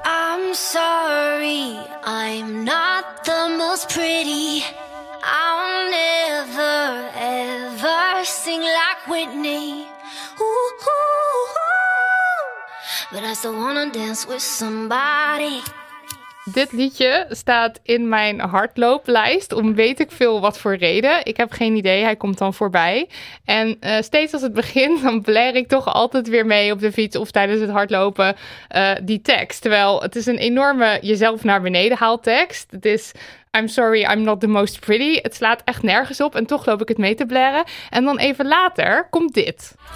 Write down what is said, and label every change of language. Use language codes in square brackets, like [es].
[en] I'm sorry, I'm not the most pretty. I'll never ever sing like Whitney. Ooh, ooh, ooh. But I still wanna dance with somebody. [nl] Dit liedje staat in mijn hardlooplijst om weet ik veel wat voor reden. Ik heb geen idee, hij komt dan voorbij. En steeds als het begint, dan blaar ik toch altijd weer mee op de fiets of tijdens het hardlopen die tekst. Terwijl het is een enorme jezelf naar beneden haal tekst. Het is [en] I'm sorry, I'm not the most pretty. [nl] Het slaat echt nergens op en toch loop ik het mee te blaren. En dan even later komt dit.